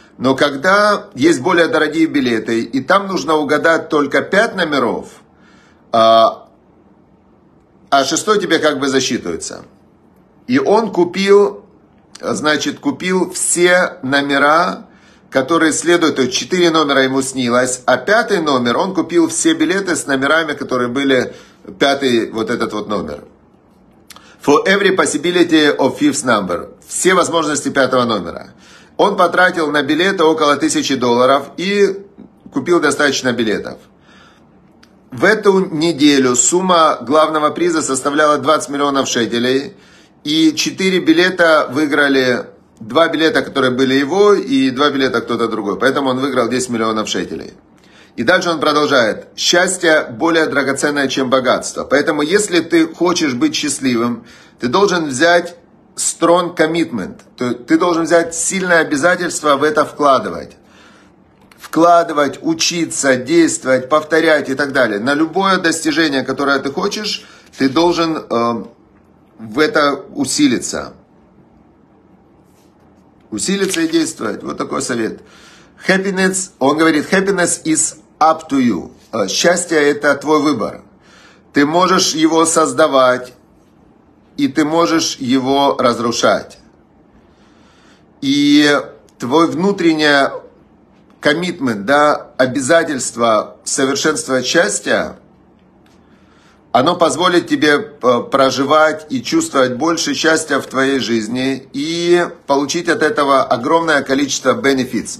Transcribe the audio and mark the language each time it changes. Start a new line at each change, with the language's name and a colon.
Russian: Но когда есть более дорогие билеты, и там нужно угадать только 5 номеров, а 6 тебе как бы засчитывается. И он купил, значит, купил все номера, которые следуют, то есть 4 номера ему снилось, а 5 номер, он купил все билеты с номерами, которые были 5 вот этот вот номер.
English: For every possibility of fifth number.
Russian: Все возможности 5 номера. Он потратил на билеты около $1000 и купил достаточно билетов. В эту неделю сумма главного приза составляла 20 миллионов шекелей. И 4 билета выиграли, 2 билета, которые были его, и 2 билета кто-то другой. Поэтому он выиграл 10 миллионов шекелей. И дальше он продолжает. Счастье более драгоценное, чем богатство. Поэтому если ты хочешь быть счастливым, ты должен взять
English: strong commitment.
Russian: Ты должен взять сильное обязательство в это вкладывать. Вкладывать, учиться, действовать, повторять и так далее. На любое достижение, которое ты хочешь, ты должен... в это усилиться. Усилиться и действовать. Вот такой совет.
English: Happiness,
Russian: он говорит,
English: happiness is up to you.
Russian: Счастье – это твой выбор. Ты можешь его создавать, и ты можешь его разрушать. И твой внутренний commitment, да, обязательство совершенствовать счастье, оно позволит тебе проживать и чувствовать больше счастья в твоей жизни и получить от этого огромное количество benefits.